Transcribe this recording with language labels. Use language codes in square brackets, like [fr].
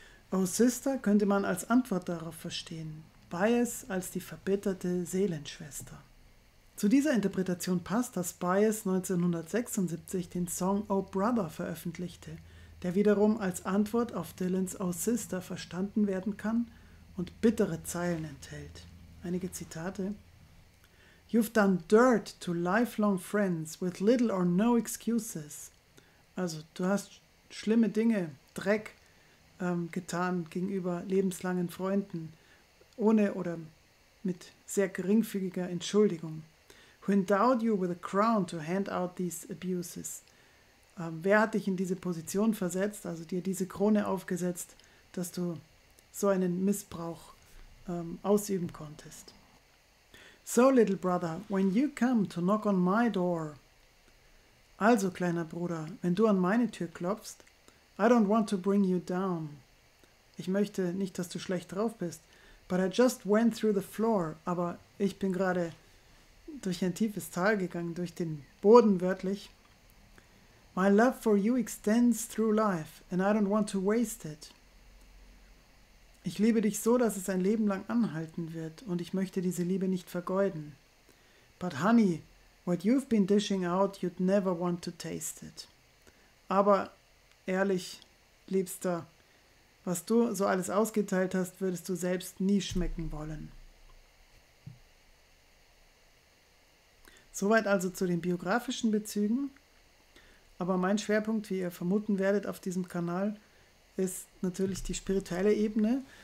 [de] Oh Sister könnte man als Antwort darauf verstehen, Baez als die verbitterte Seelenschwester. Zu dieser Interpretation passt, dass Baez 1976 den Song Oh Brother veröffentlichte, der wiederum als Antwort auf Dylans Oh Sister verstanden werden kann und bittere Zeilen enthält. [en] Einige Zitate: You've done dirt to lifelong friends with little or no excuses. [de] Also, du hast schlimme Dinge, Dreck getan gegenüber lebenslangen Freunden, ohne oder mit sehr geringfügiger Entschuldigung. [en] Who endowed you with a crown to hand out these abuses? [de] Wer hat dich in diese Position versetzt, also dir diese Krone aufgesetzt, dass du so einen Missbrauch ausüben konntest? [en] So, little brother, when you come to knock on my door. [de] Also, kleiner Bruder, wenn du an meine Tür klopfst, [en] I don't want to bring you down. [de] Ich möchte nicht, dass du schlecht drauf bist. [en] But I just went through the floor. [de] Aber ich bin gerade durch ein tiefes Tal gegangen, durch den Boden wörtlich. [en] My love for you extends through life and I don't want to waste it. [de] Ich liebe dich so, dass es ein Leben lang anhalten wird und ich möchte diese Liebe nicht vergeuden. [en] But honey, what you've been dishing out, you'd never want to taste it. [de] Aber ehrlich, Liebster, was du so alles ausgeteilt hast, würdest du selbst nie schmecken wollen. Soweit also zu den biografischen Bezügen. Aber mein Schwerpunkt, wie ihr vermuten werdet auf diesem Kanal, ist natürlich die spirituelle Ebene.